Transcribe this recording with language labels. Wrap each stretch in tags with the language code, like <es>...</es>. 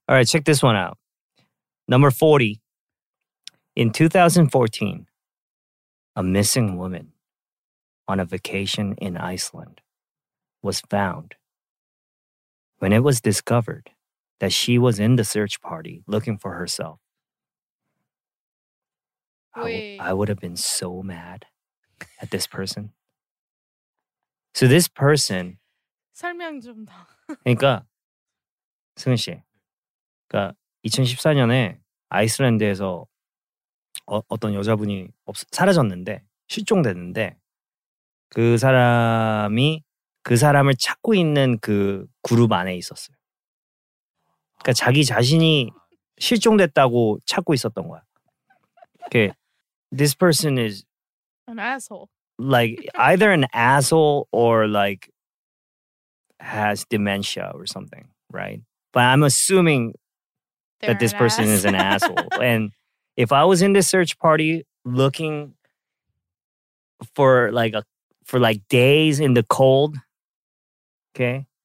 <en>All right, check this one out. Number 40. In 2014, a missing woman on a vacation in Iceland was found. When it was discovered that she was in the search party looking for herself, I would have been so mad at this person. So this person…</en> <ko>설명 좀 더. 그러니까… 승은 씨, 그러니까 2014년에 아이슬란드에서 어떤 여자분이 사라졌는데 실종됐는데 그 사람이 그 사람을 찾고 있는 그 그룹 안에 있었어요. 그러니까 자기 자신이 실종됐다고 찾고 있었던 거야.</ko> <en>그 this person is an asshole. Like either an asshole or like has dementia or something, right? But I'm assuming They're that this person is an asshole. And if I was in the search party looking for like days in the cold, okay?</en>